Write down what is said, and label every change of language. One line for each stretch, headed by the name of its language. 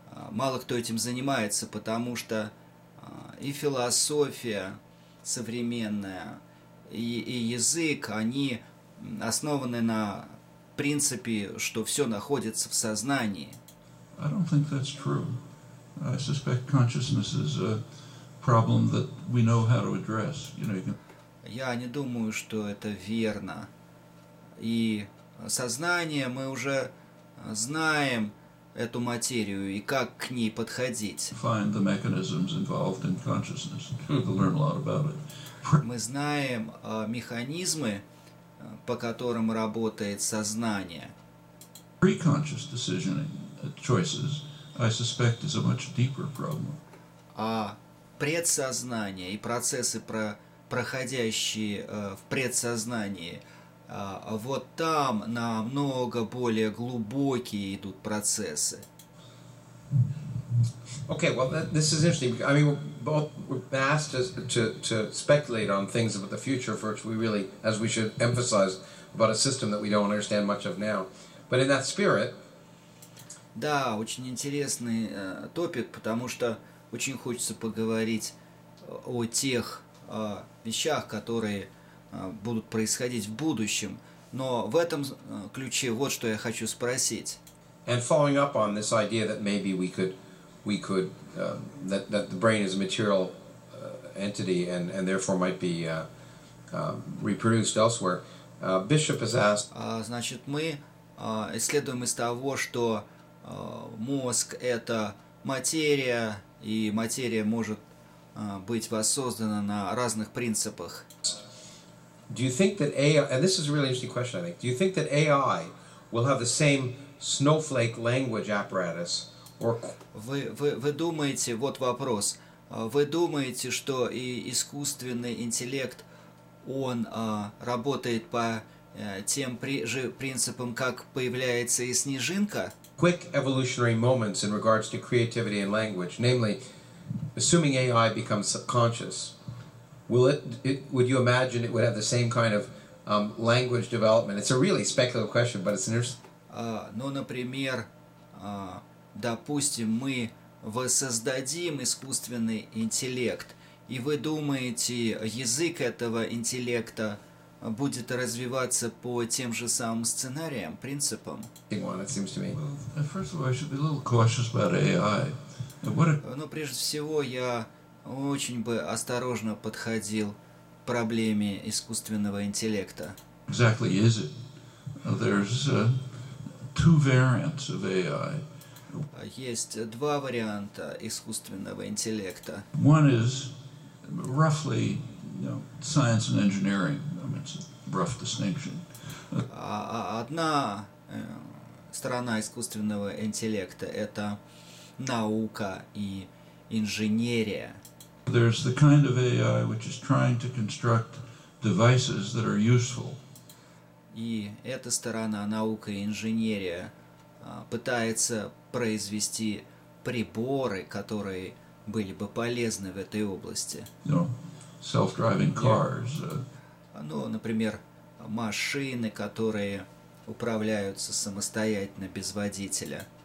Russian: Мало кто этим занимается, потому что и философия современная, и язык, они основаны на принципе, что все находится в сознании.
English: I don't think that's true. I suspect consciousness is a problem that we know how to address. You know, you can...
Russian: Я не думаю, что это верно. И сознание, мы уже знаем эту материю и как к ней подходить.
English: Find the mechanisms involved in consciousness. We'll learn a lot about it.
Russian: Мы знаем механизмы, по которым работает сознание.
English: Pre-conscious decisioning choices, I suspect, is a much deeper problem.
Russian: А предсознание и процессы, проходящие в предсознании, вот там намного более глубокие идут процессы.
English: Okay, well, this is interesting. I mean, we're asked to speculate on things about the future, for which we really, as we should emphasize, about a system that we don't understand much of now. But in that spirit...
Russian: Да, очень интересный топик, потому что очень хочется поговорить о тех вещах, которые будут происходить в будущем. Но в этом ключе вот что я хочу спросить.
English: And following up on this idea that maybe we could that the brain is a material entity and therefore might be reproduced elsewhere. Bishop has asked.
Russian: Значит, мы исследуем из того, что мозг — это материя, и материя может быть воссоздана на разных принципах.
English: Do you think that AI, and this is a really interesting question, I think, do you think that AI will have the same snowflake language apparatus?
Russian: Вы думаете, вот вопрос, вы думаете, что и искусственный интеллект, он работает по тем же принципам, как появляется и снежинка?
English: Quick evolutionary moments in regards to creativity and language, namely, assuming AI becomes subconscious, would you imagine it would have the same kind of language development? It's a really speculative question, but it's an interesting...
Russian: Ну, например, допустим, мы воссоздадим искусственный интеллект, и вы думаете, язык этого интеллекта будет развиваться по тем же самым сценариям, принципам? Ну, прежде всего, я очень бы осторожно подходил к проблеме искусственного интеллекта.
English: Exactly is it? There's two variants of AI.
Russian: Есть два варианта искусственного интеллекта.
English: One is roughly, you know, science and engineering. It's a rough distinction.
Russian: Одна сторона искусственного интеллекта — это наука и инженерия.
English: There's the kind of AI which is trying to construct devices that are useful.
Russian: И эта сторона, наука и инженерия, пытается произвести приборы, которые были бы полезны в этой области.
English: No. Self-driving cars.
Russian: Ну, например, машины, которые управляются самостоятельно, без водителя.